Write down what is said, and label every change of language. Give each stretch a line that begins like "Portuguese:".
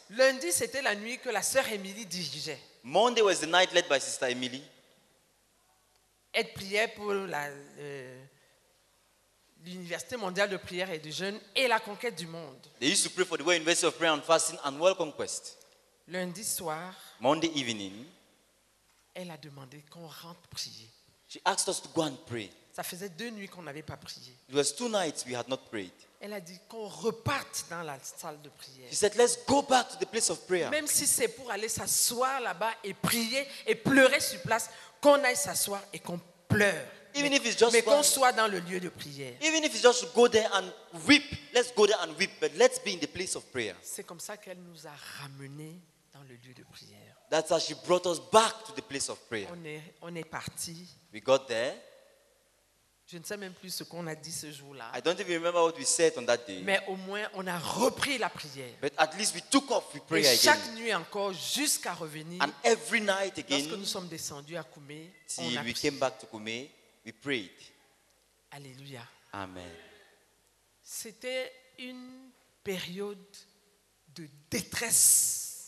French: lundi c'était la nuit que la sœur Emily dirigeait.
English: Monday was the night led by Sister Emily.
French: Elle priait pour l'Université mondiale de prière et de jeûne et la conquête du monde.
English: They used to pray for the World University of Prayer and Fasting and World Conquest.
French: Lundi soir,
English: Monday evening,
French: elle a demandé qu'on rentre prier.
English: She asked us to go and pray.
French: Ça faisait deux nuits qu'on n'avait pas prié.
English: It was two nights we had not prayed.
French: Elle a dit qu'on reparte dans la salle de prière.
English: She said, let's go back to the place of prayer.
French: Même si c'est pour aller s'asseoir là-bas et prier et pleurer sur place, qu'on aille s'asseoir et qu'on pleure.
English: Even if it's just
French: mais qu'on soit dans le lieu de prière.
English: Even if it's just go there and weep, let's go there and weep, but let's be in the place of prayer.
French: C'est comme ça qu'elle nous a ramenés dans le lieu de prière.
English: That's how she brought us back to the place of prayer.
French: On est parti.
English: We got there.
French: Je ne sais même plus ce qu'on a dit ce jour-là.
English: I don't even remember what we said on that day.
French: Mais au moins on a repris la prière.
English: But at least we took off we prayed again.
French: Et chaque nuit encore jusqu'à revenir.
English: And every night again.
French: Lorsque nous sommes descendus à Koumé,
English: we came back to Koumé, we prayed.
French: Alléluia.
English: Amen.
French: C'était une période de détresse.